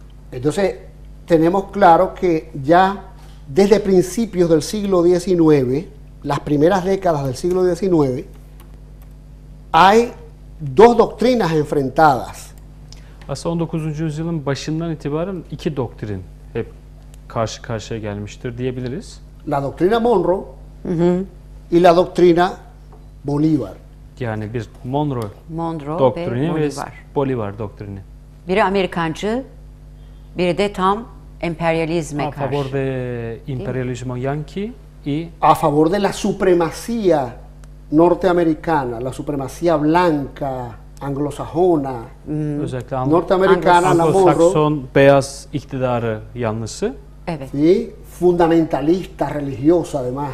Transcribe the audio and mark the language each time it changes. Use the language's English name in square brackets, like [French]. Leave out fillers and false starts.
[Spanish] Entonces tenemos claro que ya desde principios del siglo XIX, las primeras décadas del siglo XIX, hay dos doctrinas enfrentadas. [Turkish] Aslında 19. yüzyılın başından itibaren iki doktrin hep karşı karşıya gelmiştir diyebiliriz. [Spanish] La doctrina Monroe y la doctrina Bolívar. [Turkish] Yani bir Monroe doktrini ve Bolívar doktrini. Biri Amerikancı, biri de tam imperialismo [Spanish] a favor de imperialismo yanqui y a favor de la supremacía norteamericana, la supremacía blanca anglosajona. [Turkish] Özellikle norteamericana, anglosajon beyaz iktidarı yanlısı. Evet. [Spanish] Y fundamentalista religioso además.